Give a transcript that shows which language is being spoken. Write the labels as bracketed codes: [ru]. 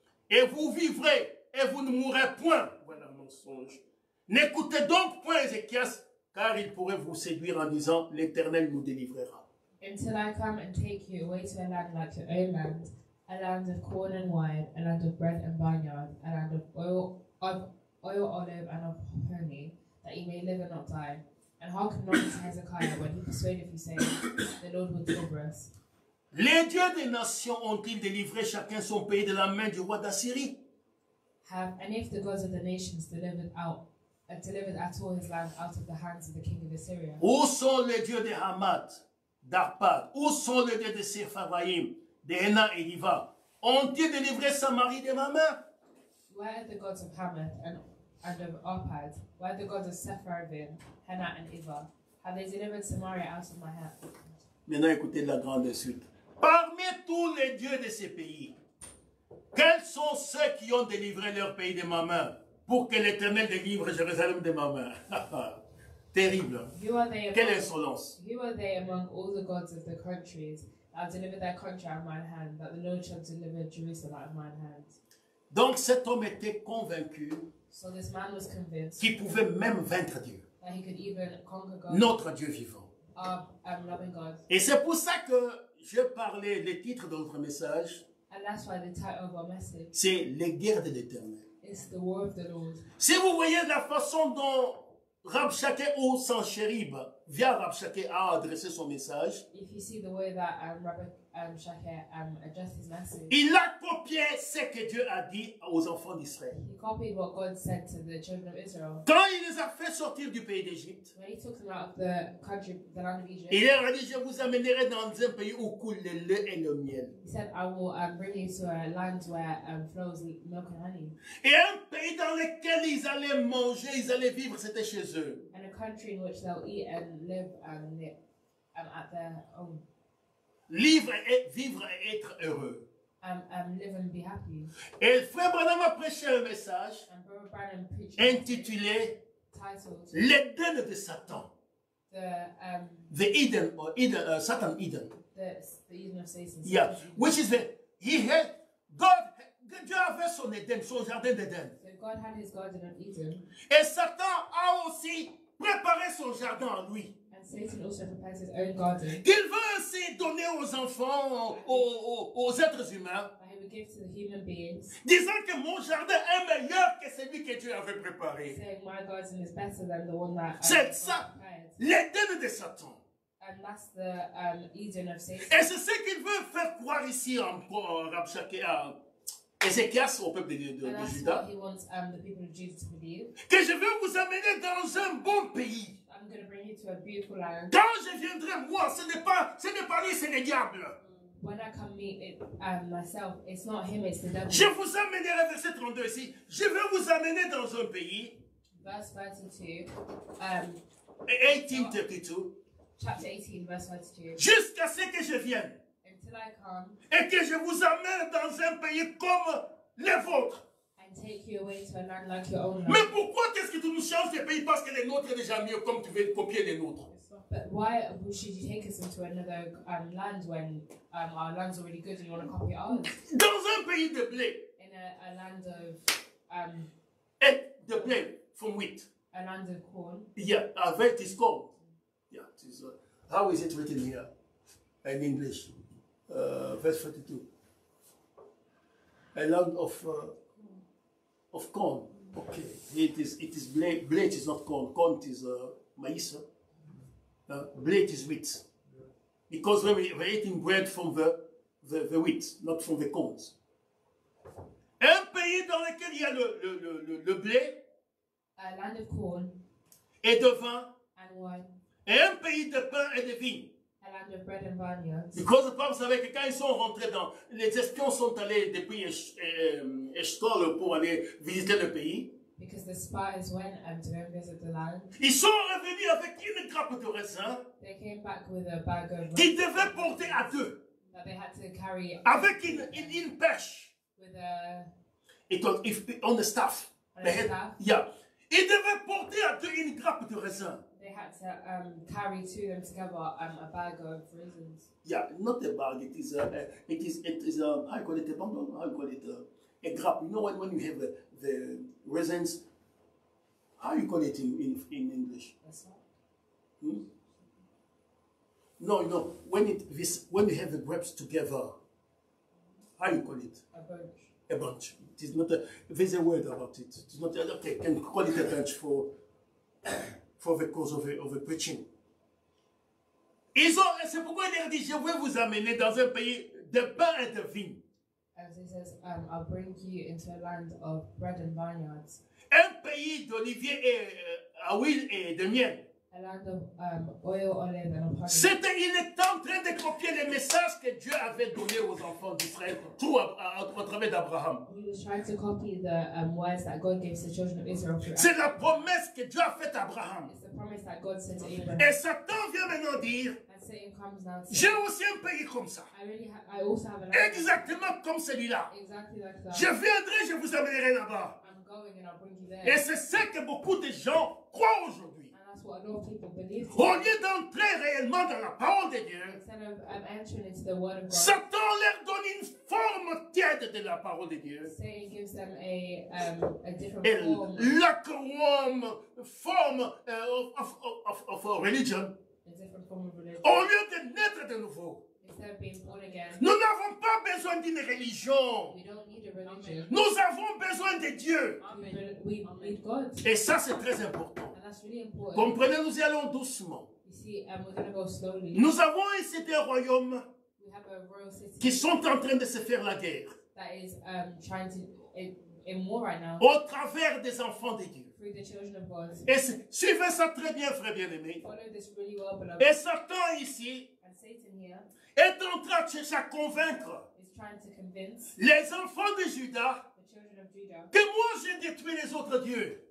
[fr] Et vous vivrez et vous ne mourrez point. Voilà un mensonge. N'écoutez donc point Ézéchias, car il pourrait vous séduire en disant, l'Éternel nous délivrera. [en] Until I come and take you away to a land like your own land, a land of corn and wine, a land of bread and vineyard, a land of oil, olive, and of honey, that you may live and not die. And hearken not to Hezekiah when he persuadeth you, saying, the Lord will deliver us. [fr] Les dieux des nations ont-ils délivré chacun son pays de la main du roi d'Assyrie? [en] Have any of the gods of the nations delivered at all his land out of the hands of the king of Assyria? [fr] Où sont les dieux de Hamat, d'Arpad? Où sont les dieux de Sepharvaim, de Hena et Iva? Ont-ils délivré Samarie de ma main? [en] Where are the gods of Hamath and of Arpad? Where are the gods of Sepharvaim, Hena and Iva? Have they delivered Samaria out of my hand? [fr] Maintenant écoutez la grande suite. Parmi tous les dieux de ces pays, quels sont ceux qui ont délivré leur pays de ma main pour que l'Éternel délivre Jérusalem de ma main? Terrible. Quelle insolence. [en] Who are they among all the gods of the countries that have delivered their country out of my hand, that the Lord shall deliver Jerusalem out of my hand? [fr] Donc cet homme était convaincu, [en] so this man was convinced, [fr] qu'il pouvait même vaincre Dieu, [en] that he could even conquer God, [fr] notre Dieu vivant. [en] Loving God. [fr] Et c'est pour ça que je parlais le titre de notre message, [en] and that's why the title of our message, [fr] c'est les guerres de l'Éternel. [en] It's the war of the Lord. [fr] Si vous voyez la façon dont Rabshake ou Sancherib via Rabshake a adressé son message, [en] if you see the way that addressed his message, [fr] il a copié ce que Dieu a dit aux enfants d'Israël. [en] He copied what God said to the children of Israel. [fr] Quand il les a fait sortir du pays d'Égypte, [en] when he took them out of the country, the land of Egypt, [fr] il leur a dit, je vous amènerai dans un pays où coule le lait et le miel. [en] He said, I will bring you to a land where flows milk and honey. [fr] Et un pays dans lequel ils allaient manger, ils allaient vivre, c'était chez eux. [en] And a country in which they'll eat and live and at their home. [fr] Vivre et être heureux. [en] Live and be happy. [fr] Et Frère Branham a prêché un message intitulé L'Eden de Satan. [en] The Eden or Eden, Satan Eden. The Eden of Satan. Yeah, which is that he had God. [fr] Dieu avait son Eden, son jardin d'Eden. [en] So God had his garden of Eden. [fr] Et Satan a aussi préparé son jardin à lui. [en] Satan also prepares his own garden. [fr] Qu'il veut aussi donner aux enfants, aux êtres humains. [en] He will give to the human beings. [fr] Disant que mon jardin est meilleur que celui que Dieu avait préparé. [en] Saying my garden is better than the one that. [fr] C'est ça. L'Éden de Satan. [en] And that's the Eden of Satan. [fr] Et c'est ce qu'il veut faire croire ici encore, Rabshake, à Ézéchias, au peuple de Juda. [en] He wants the people of Judah to believe. [fr] Que je veux vous amener dans un bon pays. [en] I'm going to bring you to a beautiful land. [fr] Quand je viendrai moi, ce n'est pas lui, c'est le diable. [en] When I come meet it, myself, it's not him, it's the devil. [fr] Je vous amènerai, verset 32 ici, je vais vous amener dans un pays. [en] Verse 32. 18, 32. Chapter 18, verse 32. [fr] Jusqu'à ce que je vienne. [en] Until I come. [fr] Et que je vous amène dans un pays comme le vôtre. [en] Take you away to a land like your own land. [fr] Mais pourquoi est-ce que tu nous changes de pays parce que les nôtres sont déjà mieux comme tu veux copier les nôtres? [en] But why should you take us into another land when our land's already good and you want to copy ours? [fr] Dans un pays de blé. [en] In a a land of [fr] et de blé [en] from wheat. A land of corn. Yeah, avec is corn. Yeah, it is, how is it written here in English? Verse 42. A land of corn. Okay, it is blé. Blé is not corn. Corn is maïs. Blé is wheat. Because we're eating bread from the wheat, not from the corn. [fr] Un pays dans lequel il y a le blé. [en] A land of corn. [fr] Et de vin. [en] And wine. [fr] Et un pays de pain et de vigne. [en] A land of bread and vineyards. Because the Bible [fr] savait que quand ils sont rentrés dans, les espions sont allés depuis Eshkol pour aller visiter le pays. [en] Because the spies went and to visit the land. [fr] Ils sont revenus avec une grappe de raisin. [en] They came back with a bag of. [fr] Qu'ils devaient porter à deux. [en] That they had to carry. [fr] Avec une pêche. [en] With a. It was if on the staff. On the staff. Yeah. Ils devaient porter à deux une grappe de raisin. They had to carry to them together a bag of raisins. Yeah, not a bag. It is a grape. You know what? When you have the raisins, how you call it in English? That's not. No. When you have the grapes together, how you call it? A bunch. It is not a. There's a word about it. It's not okay. Can you call it a bunch for the cause of a preaching? [fr] Ils ont. C'est pourquoi il a dit, je vais vous amener dans un pays de pain et de vin. [en] As he says, I'll bring you into a land of bread and vineyards. [fr] Un pays d'olivier et à huile et de miel. [en] A land of oil, olive, and honey. [fr] C'était il est en train de copier les messages que Dieu avait donné aux enfants d'Israël, tout à travers d'Abraham. [en] He was trying to copy the words that God gave to the children of Israel. [fr] C'est la promesse que Dieu a faite à Abraham. [en] It's the promise that God said to Abraham. [fr] Et Satan vient maintenant dire. [en] Comes [fr] j'ai aussi un pays comme ça. Exactement comme celui-là. [en] Exactly like that. [fr] Je viendrai, je vous amènerai là-bas. [en] I'm going and I'll bring you there. [fr] Et c'est ce que beaucoup de gens croient aujourd'hui. [en] And that's what a lot of people believe. [fr] Au lieu d'entrer réellement dans la parole de Dieu, Satan leur donne une forme tiède de la parole de Dieu. [en] Gives them a different et lukewarm forme of a religion. Different form of religion. [fr] Au lieu de naître de nouveau, [en] instead of being born again, [fr] nous n'avons pas besoin d'une religion. [en] We don't need a religion. [fr] Nous avons besoin de Dieu. Amen. Et ça, c'est très important. [en] And that's really important. [fr] Comprenez, nous y allons doucement. [en] You see, we're gonna go slowly. [fr] Nous avons ici des royaumes [en] we have a royal city [fr] qui sont en train de se faire la guerre. [en] That is, trying to, in war right now. [fr] Au travers des enfants de Dieu. [en] The children of God. [fr] Et suivez ça très bien, frère bien-aimé. [en] Really well, [fr] et Satan ici [en] and Satan here [fr] est en train de chercher à convaincre [en] to [fr] les enfants de Judas que moi j'ai détruit les autres dieux.